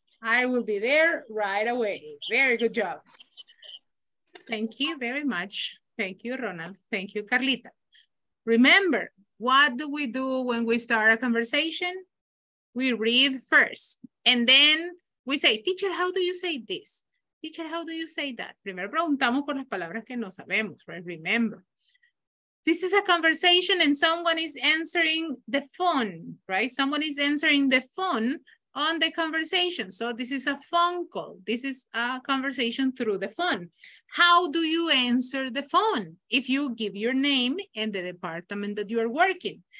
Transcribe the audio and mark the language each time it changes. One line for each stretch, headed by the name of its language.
English: I will be there right away. Very good job. Thank you very much. Thank you, Ronald. Thank you, Carlita. Remember, what do we do when we start a conversation? We read first. And then we say, teacher, how do you say this? Teacher, how do you say that?
Spanish: Primero preguntamos por las palabras que no sabemos, right?
English: Remember. This is a conversation and someone is answering the phone, right? Someone is answering the phone on the conversation. So this is a phone call. This is a conversation through the phone. How do you answer the phone? If you give your name and the department that you are working.